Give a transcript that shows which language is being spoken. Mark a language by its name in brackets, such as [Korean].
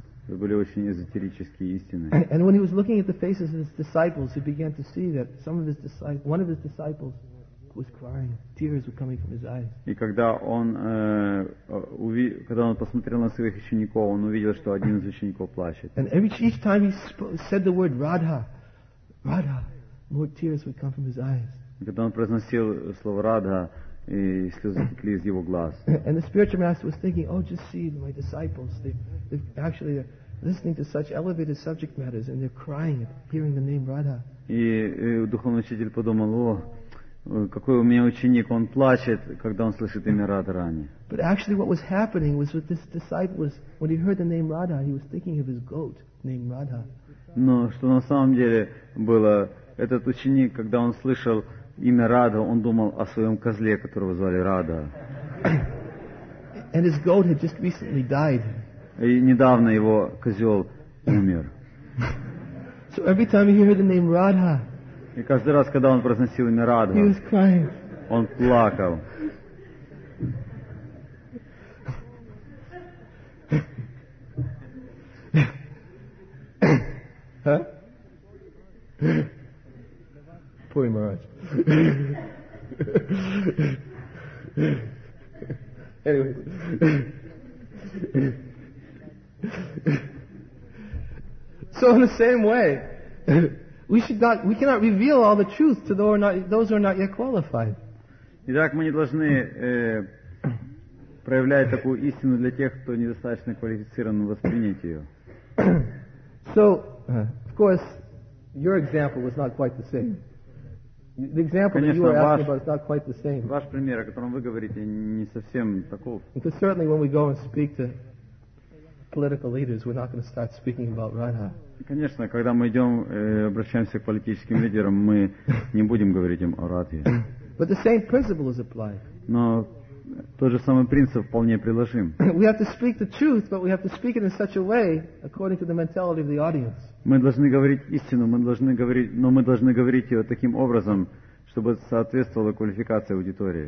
[Russian] Это были очень эзотерические истины. [English] And when he was looking at the faces of his disciples, he began to see that one of his disciples was crying, tears were coming from his eyes. [Russian] И когда он посмотрел на своих учеников, он увидел, что один из учеников плачет. [English] And each time he said the word Radha, Radha, more tears would come from his eyes. [Russian] Когда он произносил слово Радха, и слезы текли из его глаз. [English] And the spiritual master was thinking, oh, just see my disciples. They're listening to such elevated subject matters, and they're crying at hearing the name Radha. [Russian] И духовный учитель подумал, о, какой у меня ученик, он плачет, когда он слышит имя Радхарани. [English] But actually what was happening was that this disciple was, when he heard the name Radha, he was thinking of his goat named Radha. [Russian] Но что на самом деле было, этот ученик, когда он слышал имя Радха, он думал о своем козле, которого звали Радха. [English] And his goat had just recently died. [Russian] И недавно его козел умер. [English] So every time you hear the name Radha, [Russian] и каждый раз, когда он произносил имя Радха, [English] he was crying. [Russian] Он плакал. [English] Poor Maharaj. Anyway. So in the same way, we cannot reveal all the truth to those who are not yet qualified. [Russian] Итак, мы не должны проявлять такую истину для тех, кто недостаточно квалифицирован воспринять ее. [English] So, of course, your example was not quite the same. The example [Russian] Конечно, [English] that you are asking about is not quite the same. [Russian] Ваш пример, о котором вы говорите, не совсем таков. [English] Because certainly when we go and speak to political leaders, we're not going to start speaking about Radha. [Russian] Конечно, когда мы идем, обращаемся к политическим лидерам, мы не будем говорить им о Радхе. [English] But the same principle is applied. [Russian] Но тот же самый принцип вполне приложим. [English] We have to speak the truth, but we have to speak it in such a way according to the mentality of the audience. [Russian] Мы должны говорить истину, мы должны говорить ее таким образом, чтобы соответствовала квалификация аудитории.